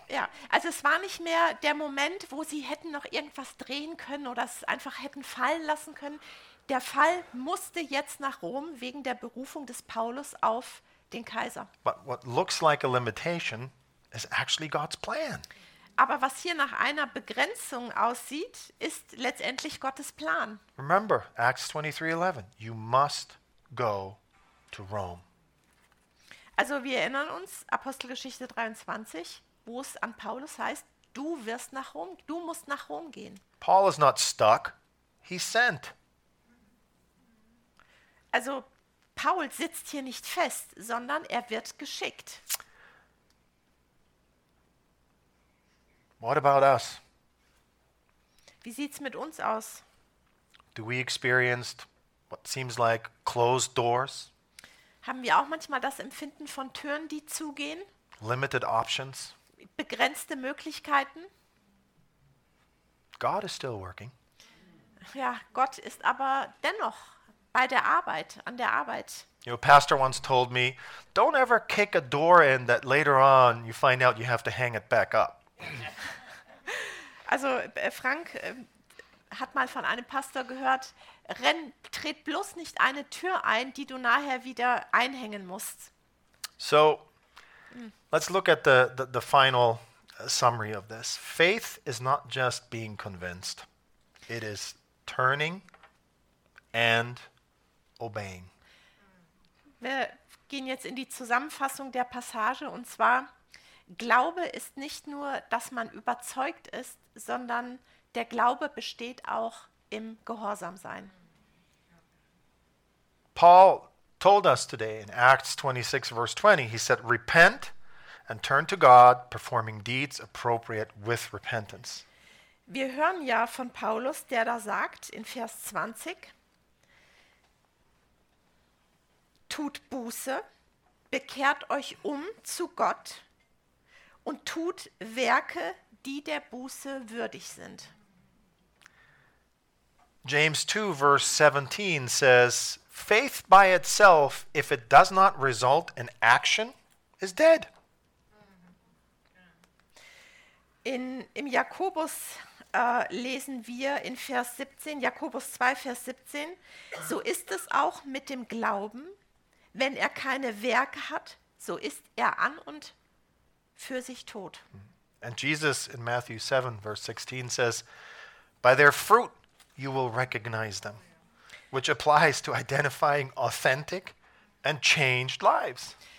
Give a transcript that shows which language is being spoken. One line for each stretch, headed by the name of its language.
German: Ja, also es war nicht mehr der Moment, wo sie hätten noch irgendwas drehen können oder es einfach hätten fallen lassen können. Der Fall musste jetzt nach Rom wegen der Berufung des Paulus auf den Kaiser.
English: But what looks like a limitation is actually God's plan.
German: Aber was hier nach einer Begrenzung aussieht, ist letztendlich Gottes Plan.
English: Remember Acts 23:11. You must go to Rome.
German: Also wir erinnern uns, Apostelgeschichte 23, wo es an Paulus heißt, du wirst nach Rom, du musst nach Rom gehen.
English: Paul is not stuck, he's sent.
German: Also Paul sitzt hier nicht fest, sondern er wird geschickt.
English: What about us?
German: Wie sieht's mit uns aus?
English: Do we experience what seems like closed doors?
German: Haben wir auch manchmal das Empfinden von Türen, die zugehen?
English: Limited options.
German: Begrenzte Möglichkeiten.
English: God is still working.
German: Ja, Gott ist aber dennoch bei der Arbeit, an der Arbeit.
English: You know, pastor once told me, don't ever kick a door in that later on you find out you have to hang it back up.
German: Also Frank hat mal von einem Pastor gehört, tritt bloß nicht eine Tür ein, die du nachher wieder einhängen musst.
English: So, let's look at the final summary of this. Faith is not just being convinced. It is turning and obeying.
German: Wir gehen jetzt in die Zusammenfassung der Passage und zwar, Glaube ist nicht nur, dass man überzeugt ist, sondern der Glaube besteht auch im Gehorsam sein.
English: Paul told us today in Acts 26, verse 20, he said, repent and turn to God, performing deeds appropriate with repentance.
German: Wir hören ja von Paulus, der da sagt in Vers 20, tut Buße, bekehrt euch um zu Gott und tut Werke, die der Buße würdig sind.
English: James 2, verse 17 says, faith by itself, if it does not result in action, is dead.
German: Im Jakobus lesen wir in Vers 17, Jakobus 2, Vers 17, so ist es auch mit dem Glauben, wenn er keine Werke hat, so ist er an und für sich tot.
English: And Jesus in Matthew 7, verse 16 says, by their fruit you will recognize them. Which applies to identifying authentic and changed lives.